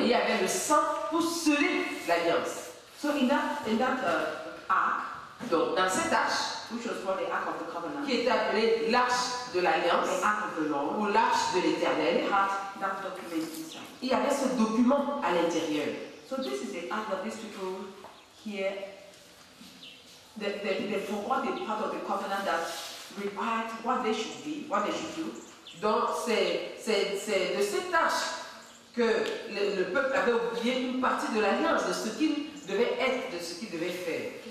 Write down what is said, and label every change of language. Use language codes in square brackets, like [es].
[fr] Et il y avait le sang pour sceller l'alliance. [en] So in that ark. [fr] Donc dans cet arche. [en] Which was called the Ark of the Covenant. [fr] Qui est appelé l'Arche de l'Alliance, [en] the Ark of the Lord, [fr] ou l'Arche de l'Éternel, [en] had that document inside. [fr] Il y avait ce document à l'intérieur. [en] So this is the Ark that these people here, they forgot the part of the covenant that required what they should be, what they should do. [fr] Donc c'est de cette Arche que le peuple avait oublié une partie de l'Alliance, de ce qu'il devait être, de ce qu'il devait faire.